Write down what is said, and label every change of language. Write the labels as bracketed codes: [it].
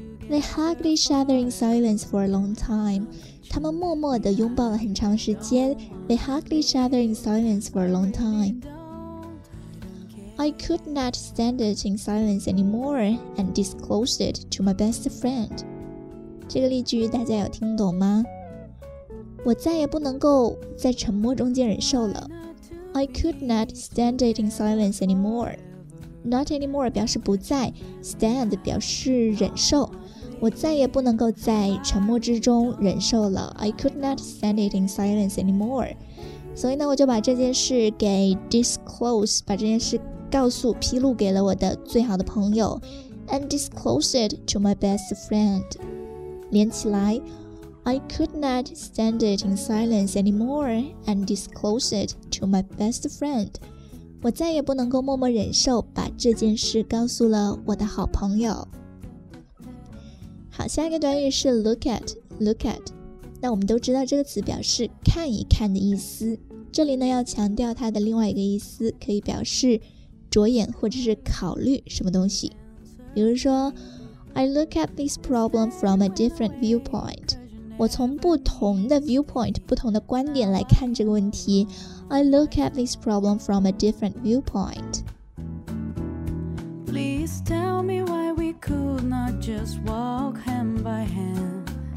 [en] They hugged each other in silence for a long time. [zh] 他们默默地拥抱了很长时间。 [en] They hugged each other in silence for a long timeI could not stand it in silence anymore and disclosed it to my best friend. [zh] 这个例句大家有听懂吗？我再也不能够在沉默中间忍受了。 [en] I could not stand it in silence anymore. [zh] Not anymore 表示不再， stand 表示忍受。我再也不能够在沉默之中忍受了。 [en] I could not stand it in silence anymore. [zh] 所以呢，我就把这件事给 disclose， 把这件事告诉披露给了我的最好的朋友 [en] and disclose it to my best friend. 连起来 I could not stand it in silence anymore and disclose it to my best friend. [zh] 我再也不能够默默忍受把这件事告诉了我的好朋友。好，下一个短语是 look at, look at. 那我们都知道这个词表示看一看的意思，这里呢要强调它的另外一个意思，可以表示着眼或者是考虑什么东西。 [en] 比如说 I look at this problem from a different viewpoint. [zh] 我从不同的 viewpoint 不同的观点来看这个问题。 [en] I look at this problem from a different viewpoint. Please tell me why we could not just walk hand by hand.